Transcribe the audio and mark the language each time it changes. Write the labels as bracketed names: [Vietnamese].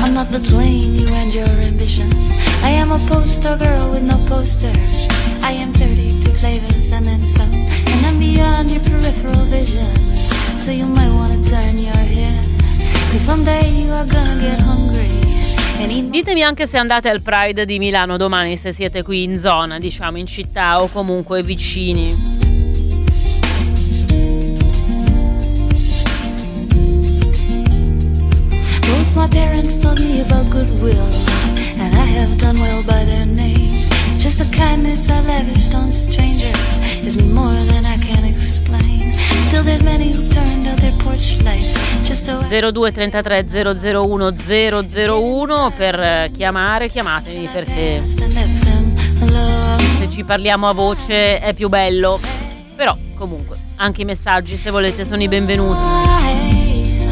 [English] Between you and your ambition, I am a poster girl with no poster. I am 32 flavors and then some, and I'm beyond your peripheral vision. So you might want to turn your head, cause someday you are gonna get hungry. [Italian] Ditemi anche se andate al Pride di Milano domani, se siete qui in zona, diciamo in città o comunque vicini. [English] My parents taught me about goodwill, and I have done well by their names. Just the kindness I lavished on strangers is more than I can explain. Still there's many who turned out their porch lights just so. [Italian] 0233 001 001 per chiamare, chiamatemi, perché se ci parliamo a voce è più bello. Però comunque anche i messaggi, se volete, sono i benvenuti.